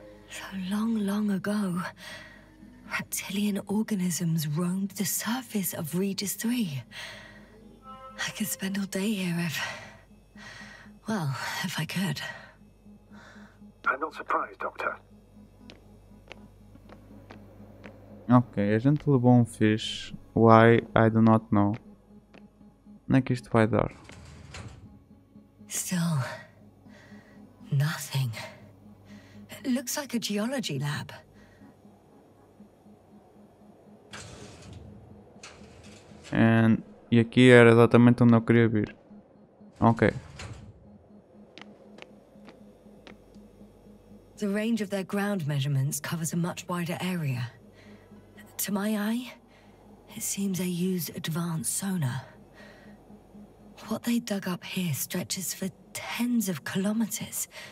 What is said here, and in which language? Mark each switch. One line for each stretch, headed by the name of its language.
English: So long, long ago, reptilian organisms roamed the surface of Regis 3. I could spend all day here if... Well, if I could. I'm not surprised, Doctor.
Portuguese: Okay, a gente levou um fish.
English: Why? I do not know.
Portuguese: Onde é que isto vai dar?
English: Still... nothing. It looks like a geology lab.
Portuguese: E aqui era exatamente onde eu queria vir.
English: Ok. The range of their ground measurements covers a much wider area. To my eye, it seems they use advanced sonar. What they dug up here stretches for tens of kilometers.